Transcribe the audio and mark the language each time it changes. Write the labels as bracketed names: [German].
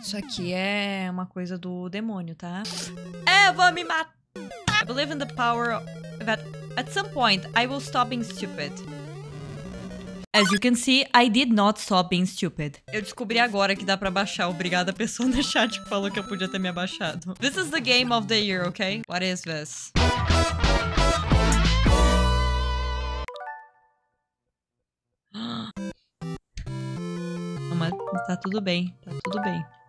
[Portuguese] Isso aqui é uma coisa do demônio, tá? Eva me matar! [English] I believe in the power that at some point I will stop being stupid. As you can see, I did not stop being stupid. [Portuguese] Eu descobri agora que dá pra baixar. Obrigada, pessoa no chat que falou que eu podia ter me abaixado. [English] This is the game of the year, ok? What is this? [Portuguese] Tá tudo bem, tá tudo bem.